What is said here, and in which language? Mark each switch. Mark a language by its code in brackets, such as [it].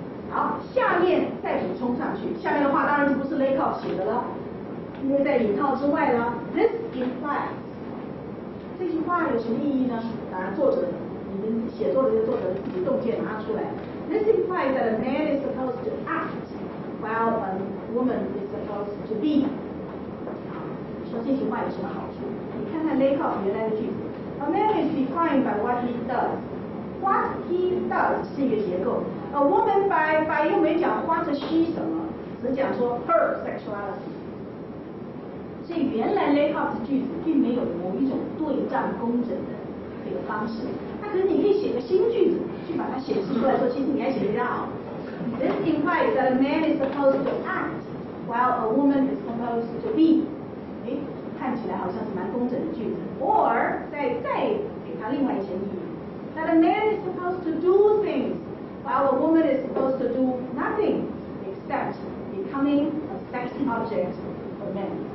[zh] 好，下面再补充上去，下面的话当然不是 Lakoff 写的了，因为在引号之外了。 [en] This implies， [zh] 这句话有什么意义呢？当然作者，你们写作的这个作者自己洞见拿出来。 [en] This implies that a man is supposed to act while a woman is supposed to be。 [zh] 你说这句话有什么好处？你看看 Lakoff 原来的句子， [en] A man is defined by what he does。 What he does [zh] 是一个结构， [en] A woman by [zh] 又没讲 [en] what she [zh] 什么，只讲说 [en] her sexuality。 [zh] 所以原来 Lakoff 的句子并没有某一种对仗工整的这个方式，那可是你可以写个新句子去把它显示出来，说其实你还写得比较好。 [en] This implies that a man is supposed to act while a woman is supposed to be。 [zh] 诶，看起来好像是蛮工整的句子。 [en] Or [zh] 再给它另外一些意义， [en] That a man is supposed to do things while a woman is supposed to do nothing except becoming a sex object for men。